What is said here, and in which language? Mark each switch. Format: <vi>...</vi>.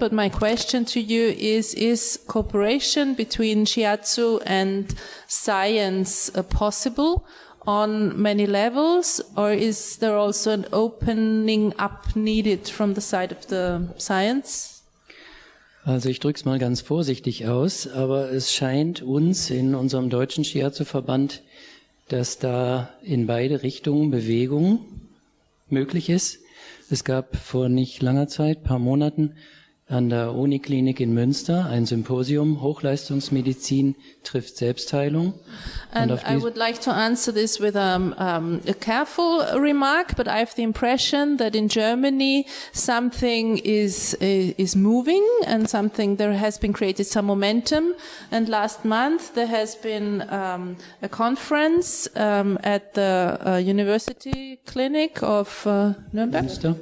<en>But my question to you is cooperation between Shiatsu and science possible on many levels, or is there also an opening up needed from the side of the science?</en> <de>Also ich drück's mal ganz vorsichtig aus, aber es scheint uns in unserem deutschen Shiatsu-Verband, dass da in beide Richtungen Bewegung möglich ist. Es gab vor nicht langer Zeit, paar Monaten, an der Uniklinik in Münster ein Symposium, Hochleistungsmedizin trifft Selbstheilung.</de> <en>And I would like to answer this with a careful remark, but I have the impression that in Germany something is moving and something, there has been created some momentum. And last month there has been a conference at the university clinic of Nürnberg,</en>